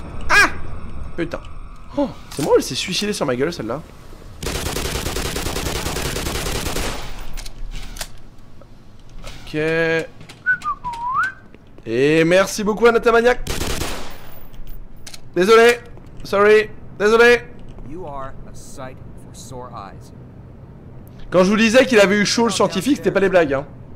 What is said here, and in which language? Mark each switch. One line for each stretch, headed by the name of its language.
French: Ah. Putain. Oh, c'est moi, elle s'est suicidée sur ma gueule celle-là. Ok. Et merci beaucoup à Natamaniac. Désolé.
English: Sorry.
French: Désolé.
English: You are a sight for sore eyes.
French: Quand je vous disais qu'il avait eu chaud le scientifique, c'était pas des blagues, hein.